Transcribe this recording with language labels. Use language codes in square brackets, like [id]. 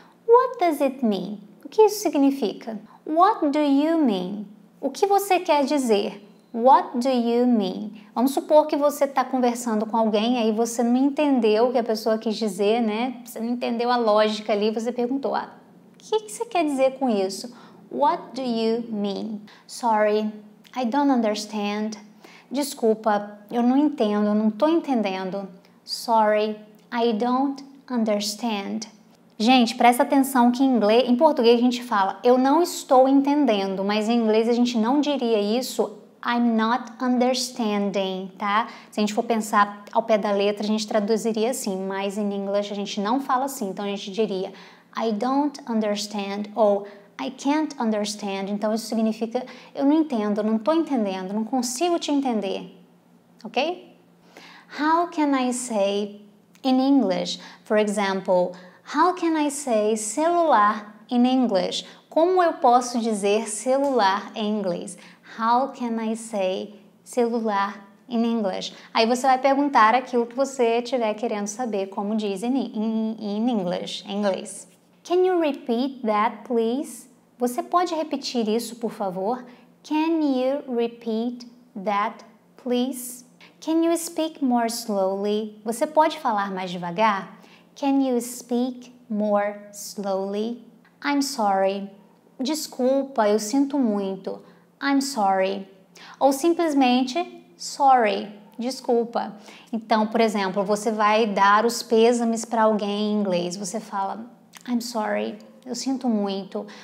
[en] What does it mean? [pt] O que isso significa? [en] What do you mean? [pt] O que você quer dizer? [en] What do you mean? [pt] Vamos supor que você está conversando com alguém e aí você não entendeu o que a pessoa quis dizer, né? Você não entendeu a lógica ali, você perguntou, ah, o que você quer dizer com isso? [en] What do you mean? Sorry, I don't understand. [pt] Desculpa, eu não entendo, não tô entendendo. [en] Sorry, I don't understand. [pt] Gente, presta atenção que em inglês, em português a gente fala eu não estou entendendo, mas em inglês a gente não diria isso [en] I'm not understanding, [pt] tá? Se a gente for pensar ao pé da letra, a gente traduziria assim, mas em inglês a gente não fala assim, então a gente diria [en] I don't understand [pt] ou [en] I can't understand. [pt] Então isso significa eu não entendo, não tô entendendo, não consigo te entender. [en] Ok? How can I say in English? For example, how can I say celular in English? [pt] Como eu posso dizer celular em inglês? [en] How can I say celular in English? [pt] Aí você vai perguntar aquilo que você estiver querendo saber como diz [en] in English, [pt] em inglês. [en] Can you repeat that, please? [pt] Você pode repetir isso, por favor? [en] Can you repeat that, please? Can you speak more slowly? [pt] Você pode falar mais devagar? [en] Can you speak more slowly? I'm sorry. [pt] Desculpa, eu sinto muito. [en] I'm sorry. [pt] Ou simplesmente, sorry. Desculpa. Então, por exemplo, você vai dar os pêsames para alguém em inglês. Você fala, [en] I'm sorry. [pt] Eu sinto muito.